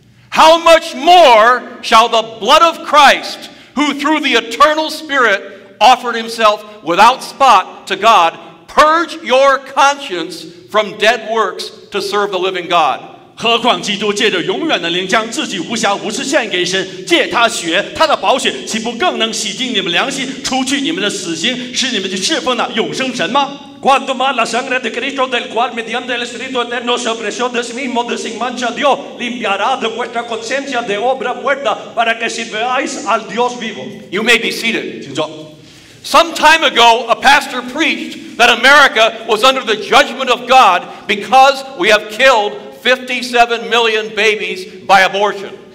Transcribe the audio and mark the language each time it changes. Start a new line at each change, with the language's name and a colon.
English: How much more shall the blood of Christ, who through the eternal Spirit offered himself without spot to God, purge your conscience from dead works to serve the living God?
Chinese: 何况基督借着永远的灵将自己无瑕无疵献给神，借他血他的宝血，岂不更能洗净你们良心，除去你们的死刑，使你们去侍奉那永生神吗？
Spanish: Cuanto más la sangre de Cristo, del cual mediante el Espíritu Eterno se ofreció de sí mismo de sin mancha a Dios, limpiará de vuestra conciencia de obra muerta para que sirváis al Dios vivo.
English: You may be seated. Some time ago, a pastor preached that America was under the judgment of God because we have killed 57 million babies by abortion.